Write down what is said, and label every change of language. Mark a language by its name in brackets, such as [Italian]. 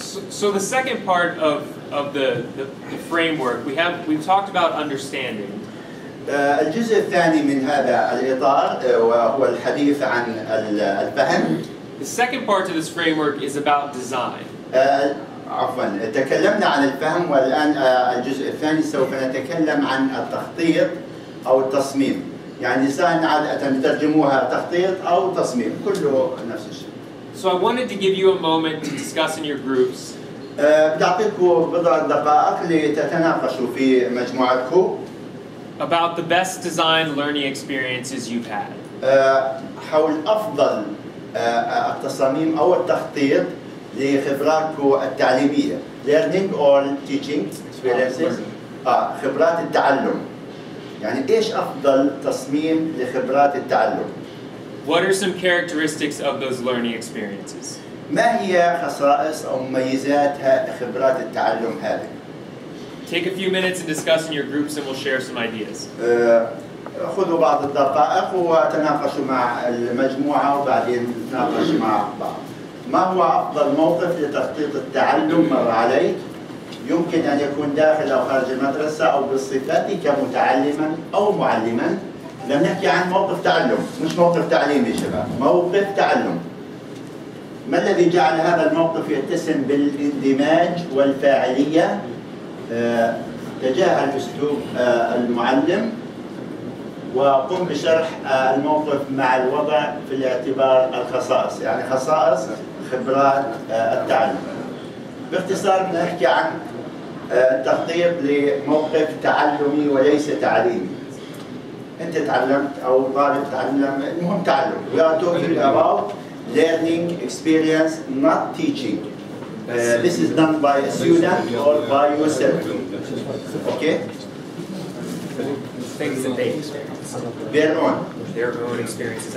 [English] So the second part of the framework we've talked about understanding. [Arabic] الجزء الثاني من هذا الإطار وهو الحديث عن الفهم. [English] The second part of this framework is about design. [Arabic] عفواً تكلمنا عن الفهم والآن الجزء الثاني سوف نتكلم عن التخطيط أو التصميم. يعني ديزاين عادة بترجموها تخطيط أو تصميم كله نفس الشيء. [English] So I wanted to give you a moment to discuss in your groups. [Arabic] بعطيكم بضع دقائق لتتناقشوا في مجموعاتكم. [English] About the best design learning experiences you've had. [Arabic] حول أفضل التصاميم أو التخطيط لخبراتكم التعليمية. [English] Learning or teaching experiences. [Arabic] خبرات التعلم. يعني إيش أفضل تصميم لخبرات التعلم؟ [English] What are some characteristics of those learning experiences? [Arabic] ما هي خصائص أو مميزات خبرات التعلم هذه؟ [English] Take a few minutes and discuss in your groups and we'll share some ideas. [Arabic] خذوا بعض الدقائق وتناقشوا مع المجموعة وبعدين نتناقش مع بعض. ما هو أفضل موقف لتخطيط التعلم مر عليك؟ يمكن أن يكون داخل أو خارج المدرسة أو بصفتي كمتعلماً أو معلماً. لم نحكي عن موقف تعلم، مش موقف تعليمي شباب، موقف تعلم. ما الذي جعل هذا الموقف يتسم بالاندماج والفاعلية تجاه أسلوب المعلم؟ وقم بشرح الموقف مع الوضع في الاعتبار الخصائص، يعني خصائص خبرات التعلم. باختصار نحكي عن التخطيط لموقف تعلمي وليس تعليمي. أنت تعلمت أو طالب تعلم، المهم تعلم. [English] We are talking about learning experience, not teaching. This is done by a student or by yourself. Okay? Things that they experience. Their own. Their own experience is